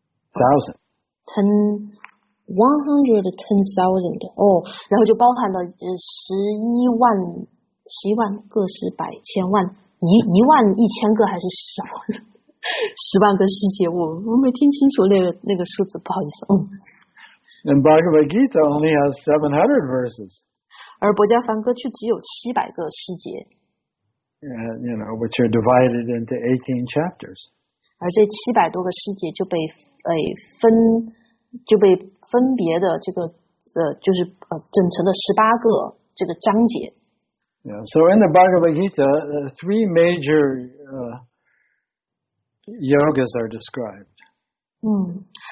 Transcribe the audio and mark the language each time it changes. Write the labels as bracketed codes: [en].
[zh] 然后就包含了十一万个十百千万一万一千个还是十万个世界，我没听清楚那个数字，不好意思。 [en] And Bhagavad Gita only has 700 verses. [zh] 而博迦梵歌却只有700个诗节。 [en] And, you know, which are divided into 18 chapters. [zh] 而这700多个诗节就被分别的这个就是整成了18个这个章节。 [en] Yeah, so in the Bhagavad Gita, three major yogas are described.